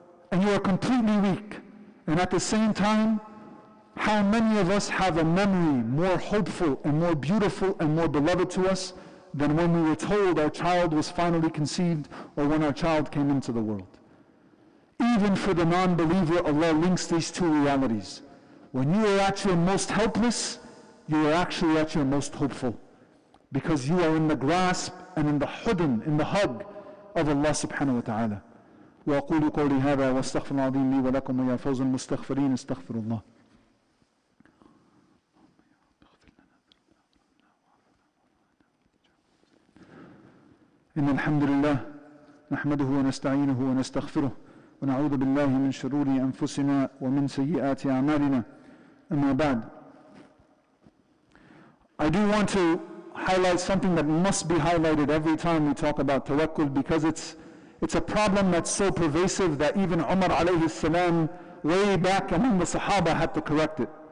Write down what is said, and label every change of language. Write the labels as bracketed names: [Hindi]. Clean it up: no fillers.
[English] And you are completely weak. And at the same time, how many of us have a memory more hopeful and more beautiful and more beloved to us than when we were told our child was finally conceived or when our child came into the world? Even for the non-believer, Allah links these two realities. When you are at your most helpless, you are actually at your most hopeful, because you are in the grasp and in the hudn, in the hug of Allah subhanahu wa ta'ala. [Arabic] وأقول قولي هذا واستغفر العظيم لي ولكم ويا فوز المستغفرين استغفر الله. إن الحمد لله نحمده ونستعينه ونستغفره ونعوذ بالله من شرور أنفسنا ومن سيئات أعمالنا. أما بعد, [English] I do want to highlight something that must be highlighted every time we talk about tawakkul, because it's a problem that's so pervasive that even Umar alayhi salam, way back among the Sahaba, had to correct it.